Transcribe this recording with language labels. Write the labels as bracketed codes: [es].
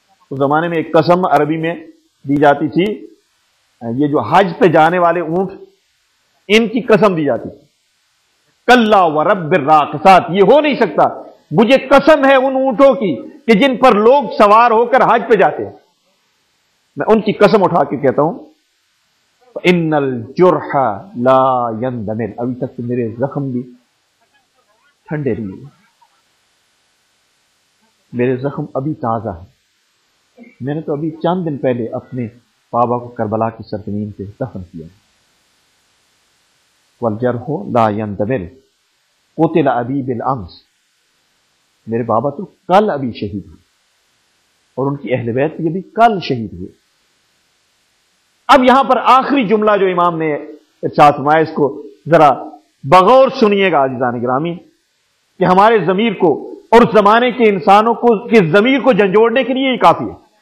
[ur] اس زمانے میں ایک قسم عربی میں دی جاتی تھی، یہ جو حج پہ جانے والے اونٹ ان کی قسم دی جاتی تھی، [ar] کلا ورب الراقصات، [ur] یہ ہو نہیں سکتا، مجھے قسم ہے ان اونٹوں کی کہ جن پر لوگ سوار ہو کر حج پہ جاتے ہیں، میں ان کی قسم اٹھا کے کہتا ہوں [ar] ان الجرح لا يندمل، [ur] ابھی تک تو میرے زخم بھی ٹھنڈے رہے، میرے زخم ابھی تازہ ہیں، میں نے تو ابھی چند دن پہلے اپنے بابا کو کربلا کی سرزمین پہ دفن کیا. [ar] والجرح لا يندمل قتل ابی بالامس، [ur] میرے بابا تو کل ابھی شہید ہوئے اور ان کی اہل بیت یہ بھی کل شہید ہوئے. اب یہاں پر آخری جملہ جو امام نے ارشاد فرمایا, اس کو ذرا بغور سنیے گا عزیزان گرامی, کہ ہمارے ضمیر کو اور زمانے کے انسانوں کو کے ضمیر کو جھنجھوڑنے کے لیے ہی کافی ہے.